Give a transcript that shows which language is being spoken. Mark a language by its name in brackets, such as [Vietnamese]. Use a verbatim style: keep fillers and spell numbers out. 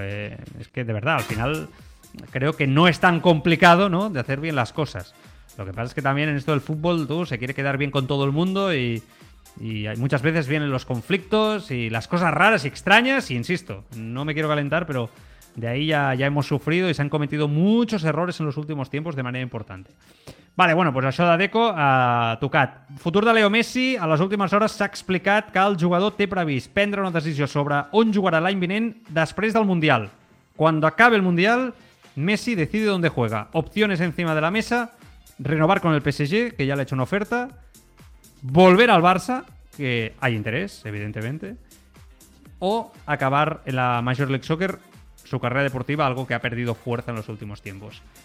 [Spanish] Eh, es que de verdad, al final creo que no es tan complicado, ¿no?, de hacer bien las cosas. Lo que pasa es que también en esto del fútbol tú se quiere quedar bien con todo el mundo y... Y hay, muchas veces vienen los conflictos y las cosas raras y extrañas, y insisto, no me quiero calentar, pero de ahí ya, ya hemos sufrido y se han cometido muchos errores en los últimos tiempos de manera importante. [Catalan] Vale, bueno, pues això d'Adeco ha tocat. Futur de Leo Messi, a les últimes hores s'ha explicat que el jugador té previst prendre una decisió sobre on jugarà l'any vinent després del Mundial. [Spanish] Cuando acabe el Mundial, Messi decide dónde juega. Opciones encima de la mesa: renovar con el P S G, que ya le ha hecho una oferta, volver al Barça, que hay interés, evidentemente, o acabar en la Major League Soccer su carrera deportiva, algo que ha perdido fuerza en los últimos tiempos.